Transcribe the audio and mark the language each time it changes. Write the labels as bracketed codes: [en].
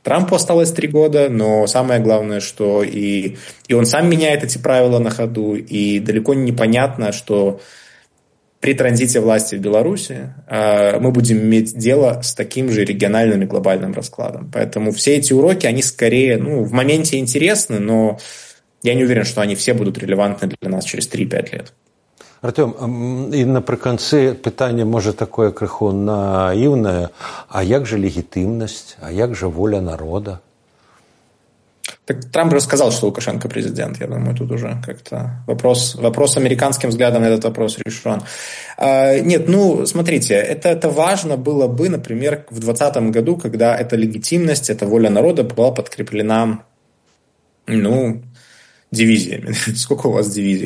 [ru] Трампу осталось 3 года, но самое главное, что и он сам меняет эти правила на ходу, и далеко не понятно, что при транзите власти в Беларуси мы будем иметь дело с таким же региональным и глобальным раскладом. Поэтому все эти уроки, они скорее, ну, в моменте интересны, но я не уверен, что они все будут релевантны для нас через 3-5 лет. [uk] Артём, і наприкінці питання, може, таке крихо наївне, а як же легітимність, а як же воля народу? Так Трамп розказав, що [ru] Лукашенко президент, я думаю, тут уже как-то вопрос американським взглядом на этот вопрос решен. Нет, ну, смотрите, это важно было бы, например, в 2020 году, когда эта легитимность, эта воля народа была подкреплена, ну, дивизиями. Сколько у вас дивизий?